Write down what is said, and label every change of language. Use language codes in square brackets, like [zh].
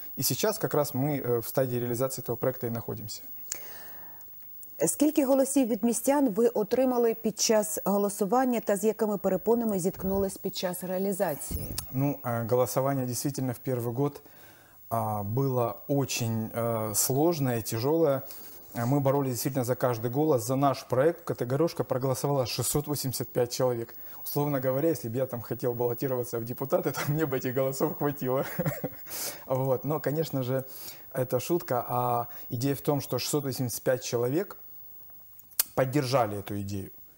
[ru] И сейчас как раз мы в стадии реализации этого проекта и находимся. [uk] Скільки голосів від містян ви отримали під час голосування та з якими перепонами зіткнулись під час реалізації? Ну, голосування дійсно в перший рік було дуже складне і тяжке. [ru] Мы боролись действительно за каждый голос, за наш проект. КТ «Горошко» проголосовало 685 человек. Условно говоря, если бы я там хотел баллотироваться в депутаты, то мне бы этих голосов хватило. Вот. Но, конечно же, это шутка. А идея в том, что 685 человек поддержали эту идею.